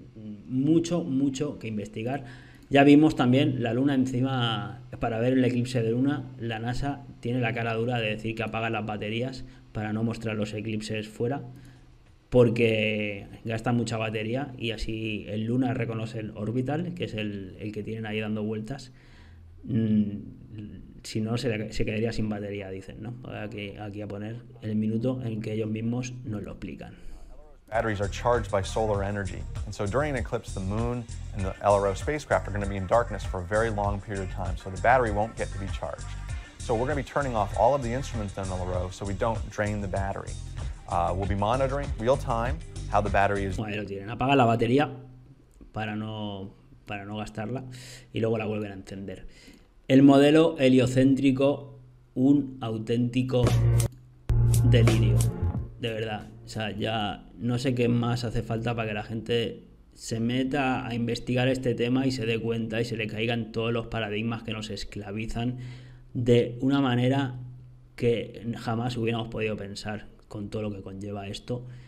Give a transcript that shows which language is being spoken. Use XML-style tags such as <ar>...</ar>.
<es>Mucho, mucho que investigar. Ya vimos también la luna encima, para ver el eclipse de luna, la NASA tiene la cara dura de decir que apaga las baterías para no mostrar los eclipses fuera, porque gasta mucha batería y así el Luna reconoce el orbital, que es el que tienen ahí dando vueltas. Si no, se quedaría sin batería, dicen, ¿no? Aquí a poner el minuto en que ellos mismos nos lo explican.</es> <en>Batteries are charged by solar energy, and so during an eclipse, the moon and the LRO spacecraft are going to be in darkness for a very long period of time, so the battery won't get to be charged. So we're going to be turning off all of the instruments on the LRO so we don't drain the battery. We'll be monitoring real time how the battery is.</en> <es>Ahí lo tienen. Apaga la batería para no gastarla y luego la vuelven a encender. El modelo heliocéntrico, un auténtico delirio. De verdad. O sea, ya no sé qué más hace falta para que la gente se meta a investigar este tema y se dé cuenta y se le caigan todos los paradigmas que nos esclavizan de una manera que jamás hubiéramos podido pensar con todo lo que conlleva esto.</es>